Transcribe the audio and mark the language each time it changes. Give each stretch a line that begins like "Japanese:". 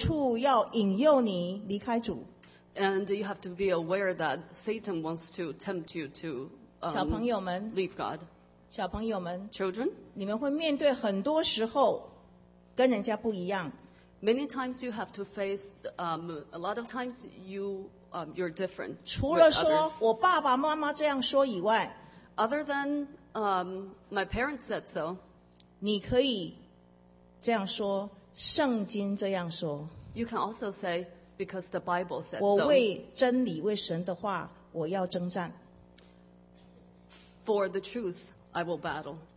Chinese: 第二个，你能意识到魔鬼到处要引诱你离开主？
English: And you have to be aware that Satan wants to tempt you to leave God.
Chinese: 小朋友们,
English: Children,
Chinese: 你们会面对很多时候跟人家不一样。
English: Many times you have to face, a lot of times you're different.
Chinese: 除了说我爸爸妈妈这样说以外,
English: other than my parents said so,
Chinese: 你可以这样说,圣经这样说,
English: you can also say, because the Bible said so.
Chinese: 我为真理,为神的话,我要征战。
English: For the truth, I will battle.